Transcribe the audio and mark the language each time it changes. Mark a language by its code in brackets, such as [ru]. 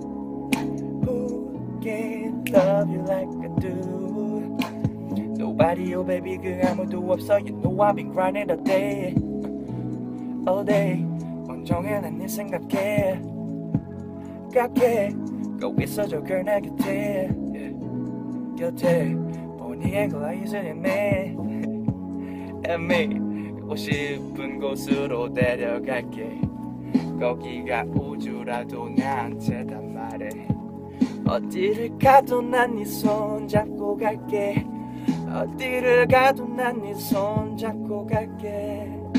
[en] Who can love you like I do? Nobody, oh baby, [ko] 그 아무도 없어. [en] You know I've been grinding all day, all day. [ko] 온종일 난 네 생각해, 깎해. Go 있어줘, [en] girl, [ko] 내 곁에. 곁에 [en] Bonnie and Clyde, is it me? And me [ko] 가고 싶은 곳으로 데려갈게. 거기가 우주라도 나한테 다 말해. 어디를 가도 난 네 손 잡고 갈게. 어디를 가도 난 네 손 잡고 갈게.